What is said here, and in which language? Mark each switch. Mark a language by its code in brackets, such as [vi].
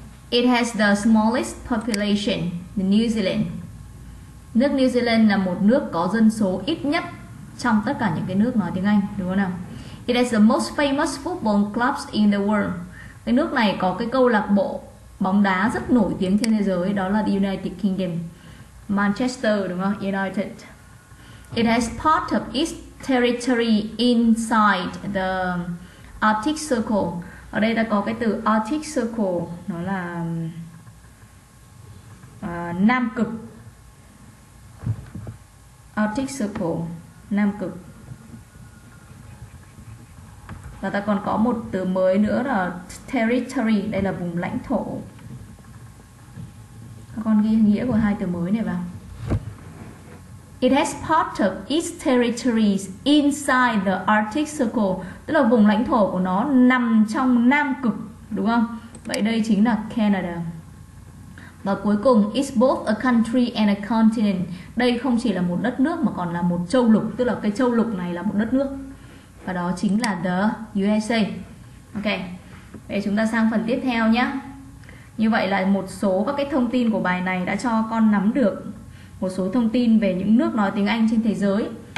[en] It has the smallest population, the New Zealand. [vi] Nước New Zealand là một nước có dân số ít nhất trong tất cả những cái nước nói tiếng Anh, đúng không nào? [en] It has the most famous football clubs in the world. [vi] Cái nước này có cái câu lạc bộ bóng đá rất nổi tiếng trên thế giới, đó là the United Kingdom, Manchester, đúng không? [en] United. It has part of its territory inside the Arctic Circle. [vi] Ở đây ta có cái từ Arctic Circle, nó là Nam Cực. Arctic Circle, Nam Cực. Và ta còn có một từ mới nữa là territory, đây là vùng lãnh thổ. Các con ghi nghĩa của hai từ mới này vào. [en] It has part of its territories inside the Arctic Circle, [vi] tức là vùng lãnh thổ của nó nằm trong Nam Cực, đúng không? Vậy đây chính là Canada. Và cuối cùng, [en] it's both a country and a continent. [vi] Đây không chỉ là một đất nước mà còn là một châu lục, tức là cái châu lục này là một đất nước. Và đó chính là the USA. Ok, vậy chúng ta sang phần tiếp theo nhé. Như vậy là một số các cái thông tin của bài này đã cho con nắm được một số thông tin về những nước nói tiếng Anh trên thế giới.